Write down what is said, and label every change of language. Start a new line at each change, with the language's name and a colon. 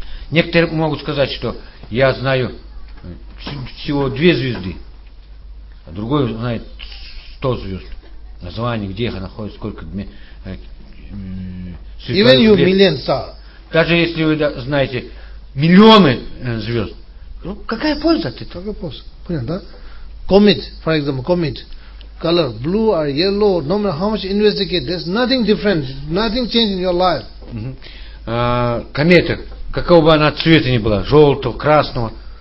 Russian: Некоторые могут сказать, что я знаю всего две звезды, а другой знает. Кто звезд? Название, где их находится, сколько звезд.
English: Even you million star.
Russian: Даже если вы знаете миллионы звезд. Ну, какая польза от этого? Какая польза? Понятно, да?
English: Comet, for example, comet. Color blue or yellow, no matter how much you investigate, there's nothing different, nothing changed in your life.
Russian: Комета, какого бы она цвета ни была, желтого, красного.